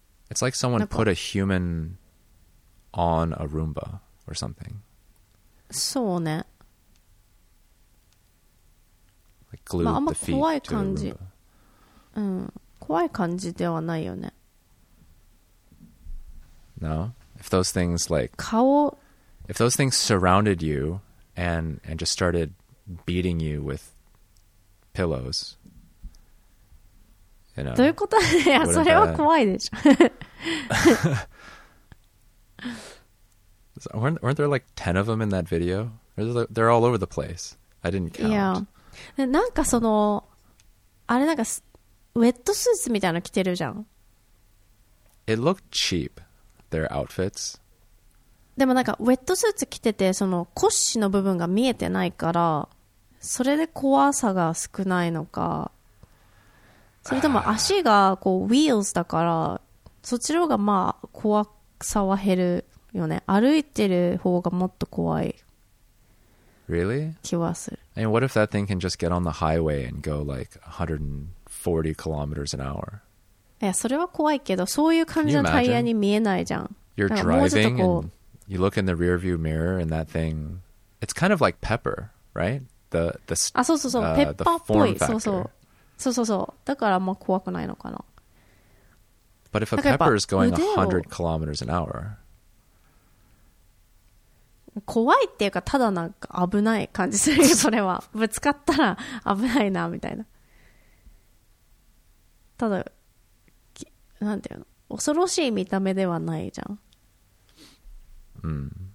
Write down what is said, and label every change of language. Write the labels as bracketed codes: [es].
[en] It's like someone put a human on a Roomba or something. [ja] そうね。 [en] Like glued the feet to a Roomba. うん。 [ja] 怖い感じではないよね。 [en] No, if those things surrounded you and just started beating you with pillows, You know, [ja] どういうこと？いや、それは怖いでしょ。 [en] So, weren't there like 10 of them in that video? They're all over the place. I didn't count. Yeah. [ja] なんかその、あれなんか、ウェットスーツみたいなの着てるじゃん。 [en] It looked cheap, their outfits. [ja] でもなんか、ウェットスーツ着てて、その腰の部分が見えてないから、それで怖さが少ないのか、それとも足がこうウィールズだからそっちの方がまあ怖さは減るよね。歩いてる方がもっと怖い。 [en] Really? [ja] 気はする。 [en] And what if that thing can just get on the highway and go like 140 kilometers an hour? [ja] いや、それは怖いけど、そういう感じのタイヤに見えないじゃん。 [en] You're driving and you look in the rearview mirror and that thing, it's kind of like Pepper, right? [ja] あ、そうそうそう、ペッパーっぽい。そうそう。そうそうそう。だからあんま怖くないのかな。 [en] But if a pepper is going 100 kilometers an hour, [ja] 怖いっていうか、ただなんか危ない感じするよ、それは。ぶつかったら危ないな、みたいな。ただ、なんていうの、恐ろしい見た目ではないじゃん。うん。